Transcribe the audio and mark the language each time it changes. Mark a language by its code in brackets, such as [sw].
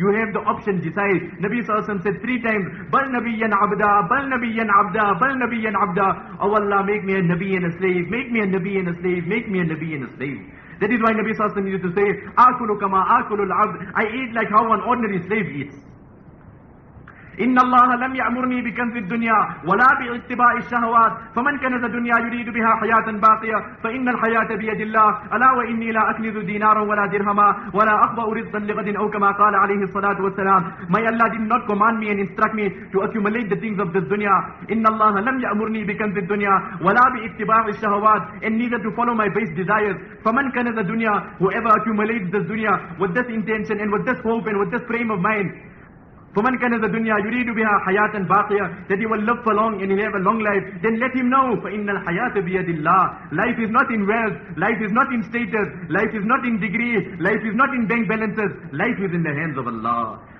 [en] You have the option, decide. Nabi Sallallahu Alaihi Wasallam said three times, [ar] Bal Nabiyyan Abda, Bal Nabiyyan Abda, Bal Nabiyyan Abda. [en] O Allah, make me a Nabi and a slave, make me a Nabi and a slave, make me a Nabi and a slave. That is why Nabi Sallallahu Alaihi Wasallam used to say, [ar] Akulu kama akulu al-abd, [en] I eat like how an ordinary slave eats. [ar] إن الله لم يأمرني بكنز الدنيا ولا باتباع الشهوات فمن كنز الدنيا يريد بها حياة باقية فإن الحياة بيد الله ألا وإني لا أكنز دينارا ولا درهما ولا أخبأ رزقا لغد أو كما قال عليه الصلاة والسلام. [en] May Allah did not command me and instruct me to accumulate the things of this dunya. [ar] إن الله لم يأمرني بكنز الدنيا ولا باتباع الشهوات, [en] and neither to follow my base desires. [ar] فمن كنز الدنيا, [en] whoever accumulates this dunya with this intention and with this hope and with this frame of mind, [ar] فَمَنْ كَنَ ذَا دُنْيَا يُرِيدُ بِهَا حَيَاةً بَاقِيَةً, [en] that he will live for long and he'll have a long life, then let him know, [ar] فَإِنَّ الْحَيَاةَ بِيَدِ اللَّهِ, [en] life is not in wealth, life is not in status, life is not in degree, life is not in bank balances, life is in the hands of Allah.